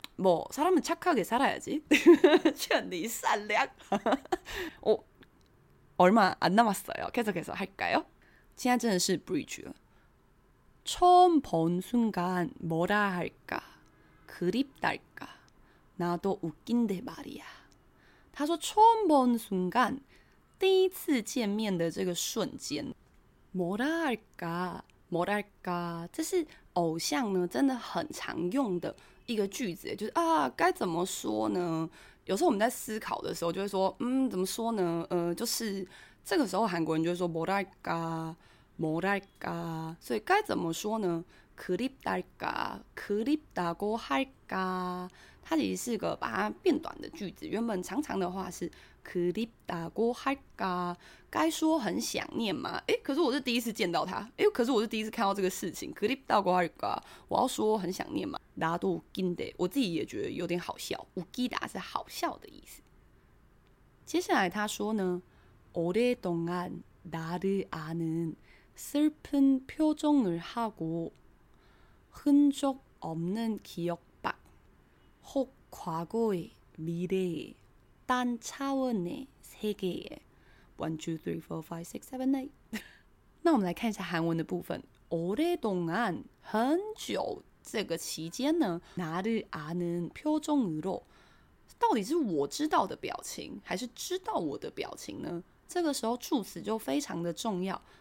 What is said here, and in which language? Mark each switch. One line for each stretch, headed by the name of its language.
Korean: 뭐 사람은 착하게 살아야지.
Chinese: 劝你善良。
Korean: 哦 얼마 안 남았어요. 계속해서 할까요? 진짜는 브릿지요. 처음 본 순간 뭐라 할까? 그립달까? 나도 웃긴데 말이야. 다소 처음 본 순간,
Chinese: 第一次见面的这个瞬间,
Korean: 뭐라 할까? 뭐랄까?
Chinese: 这是偶像呢真的很常用的一个句子，就是啊，该怎么说呢？有时候我们在思考的时候，就会说，嗯，怎么说呢？就是这个时候，韩国人就会说
Korean: 뭐랄까 뭐랄까，
Chinese: 所以该怎么说呢？
Korean: 그립달까 그립다고 할까，
Chinese: 它其实是个把它变短的句子，原本长长的话是
Korean: 그립다고 할까，
Chinese: 该说很想念吗？诶，可是我是第一次见到他，诶，可是我是第一次看到这个事情， 그립다고 할까， 我要说很想念吗？
Korean: 나도 웃긴데，
Chinese: 我自己也觉得有点好笑， 웃기다是好笑的意思。接下来他说呢，
Korean: 오랫동안 나를 아는 슬픈 표정을 하고 흔적 없는 기억밖 혹 과거의 미래의 딴 차원의 세계에.
Chinese: 1, 2, 3, 4, 5, 6, 7, 8. 那我们来看一下韩文的部分。
Korean: 오랫동안
Chinese: 很久这个期间呢
Korean: 나를 아는 표정으로
Chinese: 到底是我知道的表情 还是知道我的表情呢 这个时候助词就非常的重要